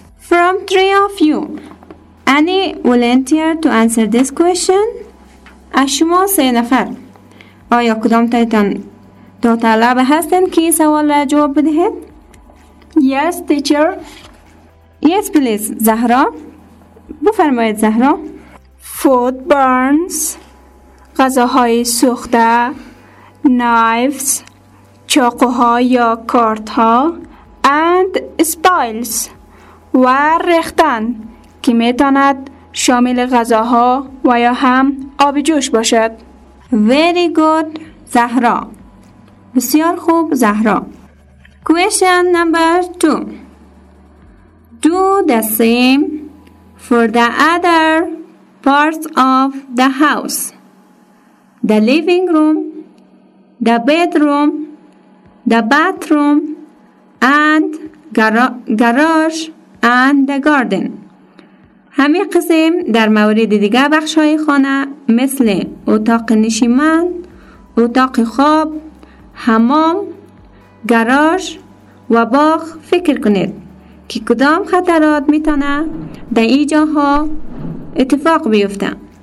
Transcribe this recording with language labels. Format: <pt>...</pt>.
<en>From three of you, any volunteer to answer this question?</en> <fa>از شما سه نفر, آیا کدام تایتان دو طلبه هستن که سوال را جواب بدهید؟</fa> <en>Yes, teacher. Yes, please, زهرا.</en> <fa>بفرمایید</fa> <en>زهرا. Food burns,</en> <fa>غذاهای سوخته,</fa> <en>knives,</en> <fa>چاقوها یا کارتها,</fa> <en>and spoils,</en> <fa>و ریختن که میتاند شامل غذاها و یا هم آب جوش باشد.</fa> <en>Very good, زهرا.</en> <fa>بسیار خوب,</fa> <en>زهرا. Question number 2. Do the same for the other parts of the house. The living room, the bedroom, the bathroom, and garage and the garden.</en> <fa>همین قسم در مورد دیگه بخش های خانه مثل اتاق نشیمن، اتاق خواب، حمام، گاراژ و باغ فکر کنید که کدام خطرات میتونه در این جاها اتفاق بیفته.</fa>